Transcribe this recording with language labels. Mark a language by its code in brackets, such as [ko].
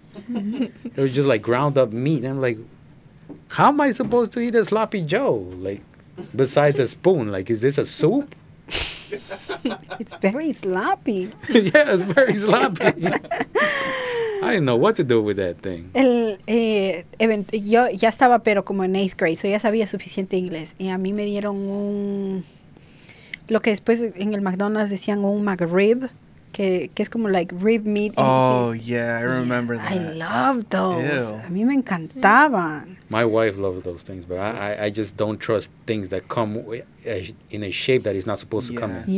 [en] It was just, like, ground-up meat. And I'm like, how am I supposed to eat a sloppy Joe? Like, besides a spoon, like, is this a soup? It's very sloppy. Yeah, it's very sloppy. I didn't know what to do with that thing. [es] Yo ya estaba, pero como en [en] eighth grade, so [es] ya sabía suficiente inglés. Y a mí me dieron un, lo que después en el McDonald's decían un McRib, que es como [en] like rib meat. Oh, yeah, I remember that. I love those. Ew. [es] A mí me encantaban. [en] My wife loves those things, but I just don't trust things that come in a shape that is not supposed to come in.